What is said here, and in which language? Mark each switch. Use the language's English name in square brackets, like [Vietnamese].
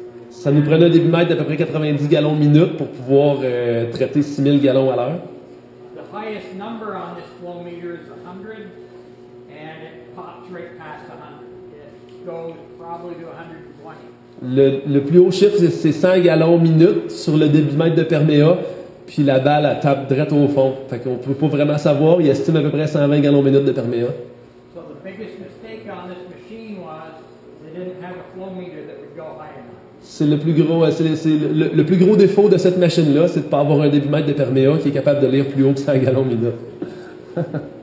[French] Ça nous prenait un débitmètre d'à peu près 90 gallons minute pour pouvoir traiter 6000 gallons à l'heure. [English] The highest number on this flow meter is 100, and it pops right past 100. It goes probably to 120. [French] Le plus haut chiffre, c'est 100 gallons minute sur le débitmètre de perméa, puis la balle, elle tape direct au fond. Fait qu'on peut pas vraiment savoir, il estime à peu près 120 gallons minute de perméa. [English] So the biggest mistake on this machine was they didn't have a flow meter that would go high enough. [French] C'est le plus gros défaut de cette machine-là, c'est de pas avoir un débitmètre de perméa qui est capable de lire plus haut que 100 gallons minute.